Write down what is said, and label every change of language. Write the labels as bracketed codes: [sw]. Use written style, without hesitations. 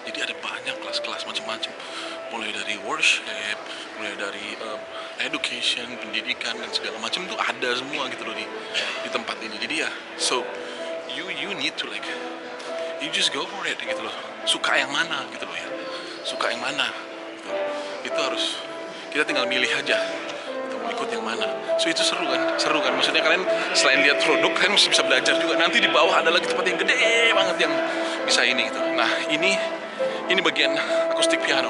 [id] Jadi ada banyak kelas-kelas macam-macam, mulai dari worship, mulai dari education, pendidikan dan segala macam tuh ada semua gitu loh di tempat ini. [en] Jadi ya, so you need to like, you just go for it gitu loh. [id] Suka yang mana gitu loh ya. Suka yang mana gitu. Itu harus kita tinggal milih aja. Ikut yang mana. So itu seru kan? Seru kan? Maksudnya kalian selain lihat produk, kalian mesti bisa belajar juga. Nanti di bawah ada lagi tempat yang gede banget yang bisa ini gitu. Nah, ini bagian akustik piano.